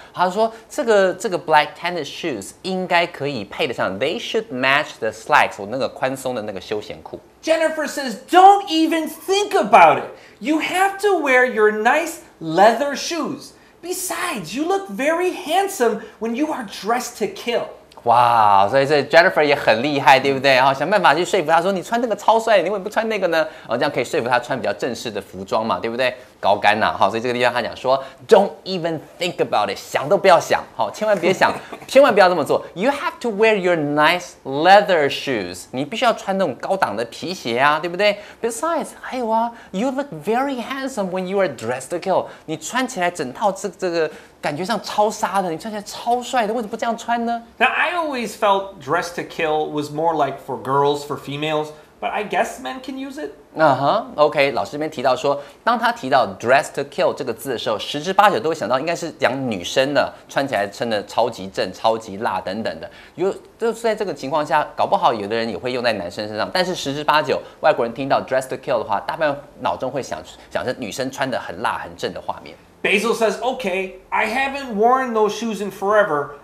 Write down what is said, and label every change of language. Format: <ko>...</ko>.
<zh>他说这个 black tennis shoes 应该可以配得上，</zh> <en>they should match the slacks，</en> <zh>我那个宽松的那个休闲裤。</zh> <en>Jennifer says don't even think about it. You have to wear your nice leather shoes. Besides, you look very handsome when you are dressed to kill.</en> <zh>哇，所以这 Jennifer 也很厉害，对不对？想办法去说服他说你穿这个超帅，你为什么不穿那个呢？哦，这样可以说服他穿比较正式的服装嘛，对不对？高干呐、啊，所以这个地方他讲说 ，</zh> <en>Don't even think about it，</en> <zh>想都不要想，好，千万别想，千万不要这么做。</zh> <en>You have to wear your nice leather shoes，</en> <zh>你必须要穿那种高档的皮鞋啊，对不对</zh> <en>？Besides，</en> <zh>还有啊</zh> <en>，You look very handsome when you are dressed to kill，</en> <zh>你穿起来整套这个。感觉上超杀的，你穿起来超帅的，为什么不这样穿呢</zh> <en>？Now I always felt dressed to kill was more like for girls, for females, but I guess men can use it.</en> <zh>OK， 老师这边提到说，当他提到 dressed to kill 这个字的时候，十之八九都会想到应该是讲女生的，穿起来穿的超级正、超级辣等等的。就是在这个情况下，搞不好有的人也会用在男生身上，但是十之八九外国人听到 dressed to kill 的话，大部分脑中会想是女生穿的很辣、很正的画面。</zh> <en>Basil says, okay, I haven't worn those shoes in forever.</en>